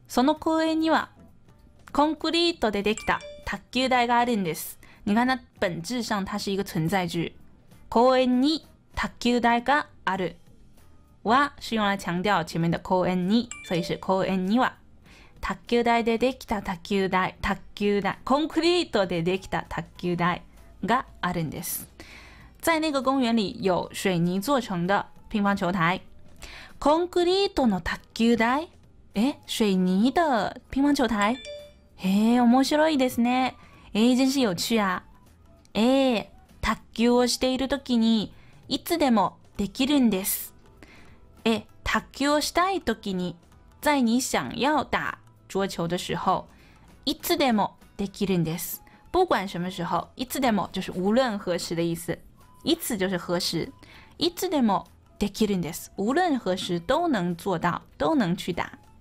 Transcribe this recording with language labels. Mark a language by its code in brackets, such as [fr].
[ja] その公園にはコンクリートでできた卓球台があるんです。 [zh] 你看它本质上它是一个存在句。 [ja] 公園に卓球台がある。 [zh] は是用来强调前面的 [ja] 公園に， [zh] 所以是 [ja] 公園には卓球台でできた卓球台コンクリートでできた卓球台があるんです。 [zh] 在那个公园里有水泥做成的乒乓球台。 [ja] コンクリートの卓球台。 [zh] え、水泥的乒乓球台。 [ja] へえ、面白いですね。え、 [zh] 真是有趣啊。 [ja] ええ、卓球をしているときにいつでもできるんです。え、卓球をしたいときに、 [zh] 在你想要打桌球的时候， [ja] いつでもできるんです。 [zh] 不管什么时候，いつでも就是无论何时的意思。いつ就是何时。 [ja] いつでもできるんです。 [zh] 无论何时都能做到，都能去打。